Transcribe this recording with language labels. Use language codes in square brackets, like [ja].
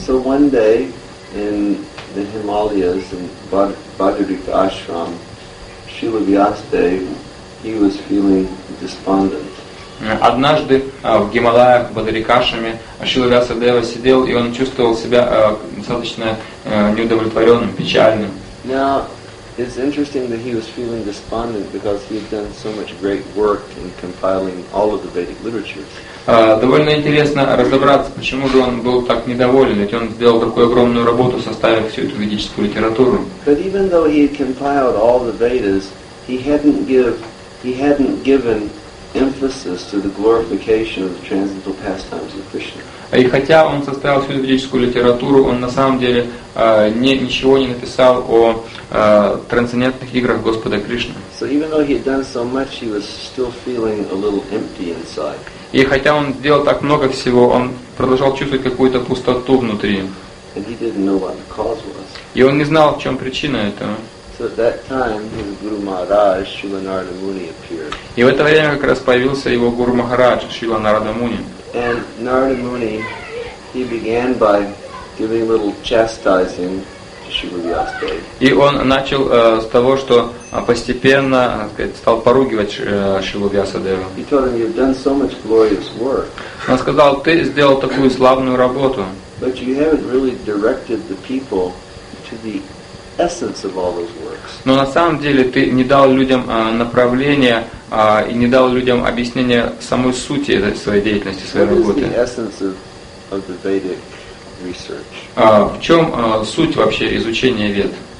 [en] So one day in the Himalayas and Bhagavad-gita ashram, Śrīla Vyāsadeva, he was feeling despondent. [ru] Однажды в Гималаях, в Бадрикашраме, Śrīla Vyāsadeva сидел, и он чувствовал себя достаточно неудовлетворенным, печальным. [en] Now, it's interesting that he was feeling despondent because he had done so much great work in compiling all of the Vedic literature. [ru] Довольно интересно разобраться, почему же он был так недоволен, ведь он сделал такую огромную работу, составив всю эту ведическую литературу. [en] But even though he had compiled all the Vedas, he hadn't given emphasis to the glorification of the transcendental pastimes of Krishna. [ru] И хотя он составил всю ведическую литературу, он на самом деле ничего не написал о трансцендентных играх Господа Кришны. [en] So even though he had done so much, he was still feeling a little empty inside. [ru] И хотя он сделал так много всего, он продолжал чувствовать какую-то пустоту внутри. [en] And he didn't know what the cause was. [ru] И он не знал, в чем причина этого. [en] So at that time, his Guru Maharaj, Śrīla Narada Muni, appeared. [ru] И в это время как раз появился его Гуру Махарадж, Śrīla Narada Muni. [en] And Narada Muni, he began by giving a little chastising to Śrīla Vyāsadeva. [ru] И он начал с того, что постепенно, так сказать, стал поругивать Śrīla Vyāsadeva. [en] He told him, "You've done so much glorious work." [ru] Он сказал: "Ты сделал такую славную работу." [en] But you haven't really directed the people to the essence of all those works. [ru] Но на самом деле ты не дал людям направления и не дал людям объяснения самой сути этой своей деятельности, своей работы. [en] What is the essence of the Vedic research? [ru] В чем суть вообще изучения Вед?